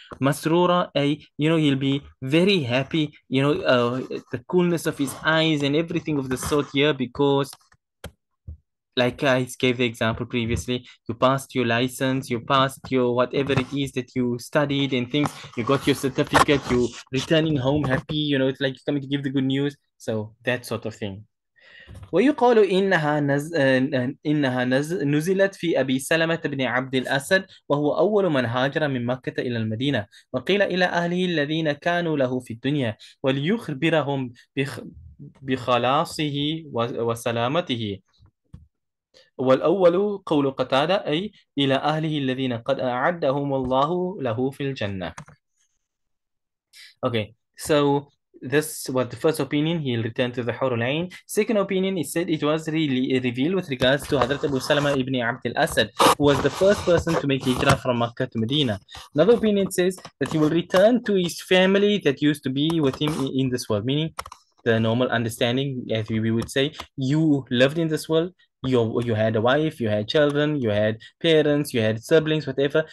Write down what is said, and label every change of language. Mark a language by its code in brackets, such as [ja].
[en] Masrura, you know, he'll be very happy, you know, the coolness of his eyes and everything of the sort here, because like I gave the example previously, you passed your license, you passed your whatever it is that you studied and things, you got your certificate, you returning home happy, you know, it's like coming to give the good news. So that sort of thing. [ar] ويقال إنها إنها نزلت في أبي سلمة بن عبد الأسد وهو أول من هاجر من مكة إلى المدينة وقيل إلى أهله الذين كانوا له في الدنيا وليخبرهم بخلاصه وسلامته والأول قول قتادة أي إلى أهله الذين قد أعدهم الله له في الجنة. [en] Okay, so this was the first opinion, he'll return to the Hur al-Ain. Second opinion, he said it was really revealed with regards to Hadrat Abu Salama ibn Abd al-Asad, who was the first person to make hijrah from Makkah to Medina. Another opinion says that he will return to his family that used to be with him in this world, meaning the normal understanding, as we would say, you lived in this world, you had a wife, you had children, you had parents, you had siblings, whatever.